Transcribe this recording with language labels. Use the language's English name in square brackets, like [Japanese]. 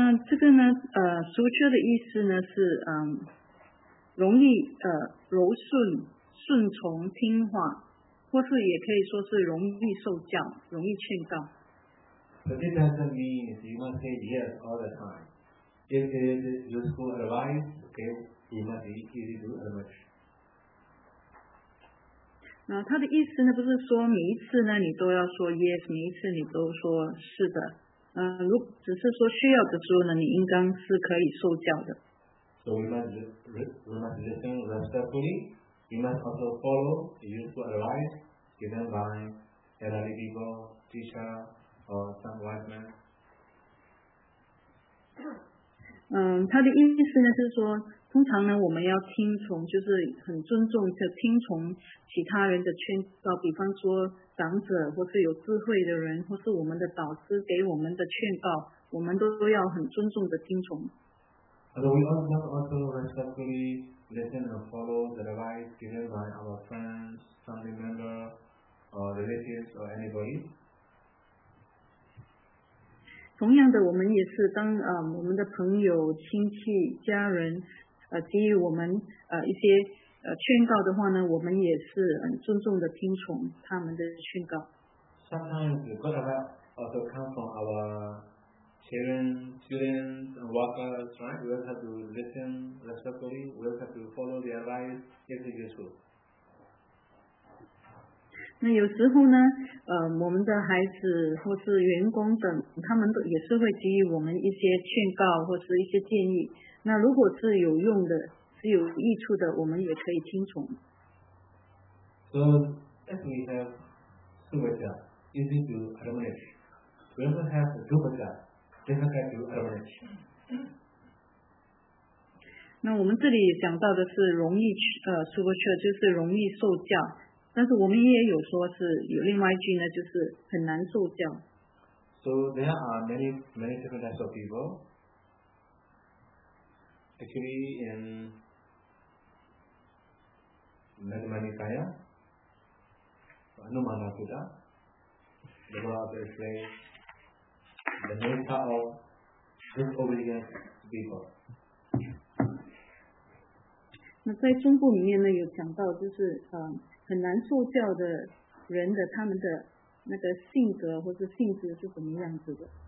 [Chinese] 这个呢，苏彻的意思呢是容易柔顺、顺从、听话，或是也可以说是容易受教、容易劝告。 [English] So this doesn't mean you must say yes all the time. If it is useful advice, okay, you must be easy to acknowledge. [Chinese] 他的意思呢，不是说每一次呢，你都要说 yes， 每一次你都说是的，如只是说需要的时候呢，你应当是可以受教的。 [English] So we must listen respectfully. We must also follow the useful advice given by elderly people, teacher, or some wise man. [Chinese] 他的意思呢是说，通常呢我们要听从，就是很尊重的听从其他人的劝告，比方说长者或是有智慧的人，或是我们的导师给我们的劝告，我们都要很尊重的听从。 [English] So we must also respectfully listen and follow the advice given by our friends, family member, or relatives or anybody. [Chinese] 同样的，我们也是当我们的朋友、亲戚、家人，给予我们一些劝告的话呢，我们也是很尊重的听从他们的劝告。 [English] Sometimes the good advice also comes from our children, students, and workers, right? We also have to listen respectfully. We also have to follow their advice if it is useful. [Chinese] 那有时候呢，我们的孩子或是员工等，他们都也是会给予我们一些劝告或是一些建议。那如果是有用的、是有益处的，我们也可以听从。 [English] So as we have supervisor, easy to admonish. We also have supervisor, difficult to admonish. [Chinese] 那我们这里讲到的是容易supervisor 就是容易受教。但是我们也有说是有另外一句呢，就是很难受教。 [English] So there are many, many different types of people. Actually, in Madhvanikaya, Anumana Buddha, the Buddha also explains the nature of disobedient people. [Chinese] 那在中部里面呢，有讲到就是很难受教的人的他们的那个性格或是性质是怎么样子的。